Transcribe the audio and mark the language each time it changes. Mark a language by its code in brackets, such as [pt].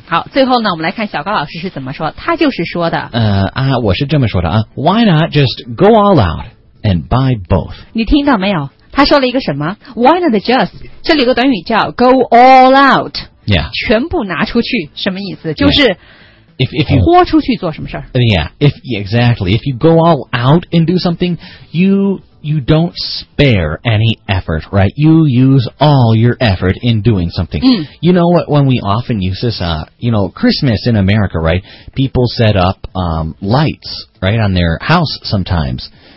[zh] 好最后呢我们来看小高老师是怎么说他就是说的 [en] 我是这么说的啊 Why not just go all out and buy both [zh] 你听到没有他说了一个什么 Why not just 这里有个短语叫 go all out、 [en] yeah. [zh] 全部拿出去什么意思就是、 [en] yeah. If you [zh] 豁出去做什么事儿 [en] yeah, if exactly, if you go all out and do something, you you don't spare any effort, right? You use all your effort in doing something. Mm. You know what, when we often use this, you know, Christmas in America, right? People set up lights, right, on their house sometimes.